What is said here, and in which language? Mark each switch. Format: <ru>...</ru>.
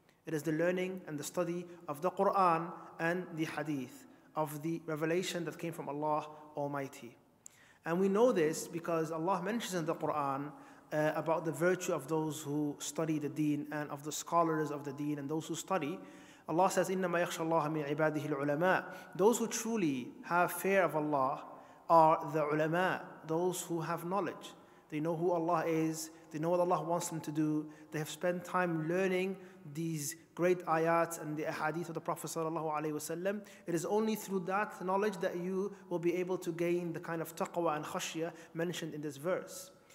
<en>It is the learning and the study of the Quran and the Hadith, of the revelation that came from Allah Almighty. And we know this because Allah mentions in the Quran about the virtue of those who study the deen and of the scholars of the deen and those who study. Allah says,</en> <ar>إِنَّمَا يَخْشَى اللَّهَ مِنْ عِبَادِهِ الْعُلَمَاءِ.</ar> <en>Those who truly have fear of Allah are the ulama, those who have knowledge. They know who Allah is, they know what Allah wants them to do, they have spent time learning these great ayats and the ahadith of the Prophet sallallahu alaihi wasallam. It is only through that knowledge that you will be able to gain the kind of taqwa and khashya mentioned in this verse.</en>